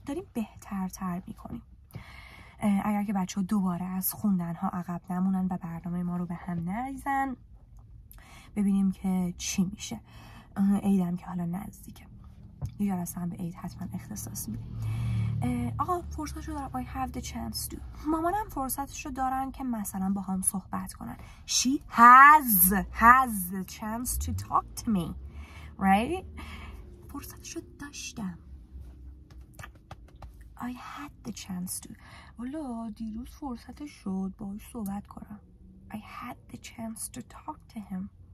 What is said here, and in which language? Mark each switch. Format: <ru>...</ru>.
<fa>داریم بهتر تر میکنیم. اگر که بچه ها دوباره از خوندن ها عقب نمونن و برنامه ما رو به هم نریزن، ببینیم که چی میشه. عیدم که حالا نزدیکه، یه جلسه هم به عید حتما اختصاص میدیم. آقا فرصتشو دارم،</fa> <en>I have the chance to.</en> <fa>مامانم فرصتشو دارن که مثلا با هم صحبت کنن.</fa> <en>She has the chance to talk to me. Right?</en> <fa>فرصتشو داشتم.</fa> <en>I had the chance to.</en> <fa>والا دیروز فرصتش شد باهاش صحبت کنم.</fa> <en>I had the chance to talk to him.</en>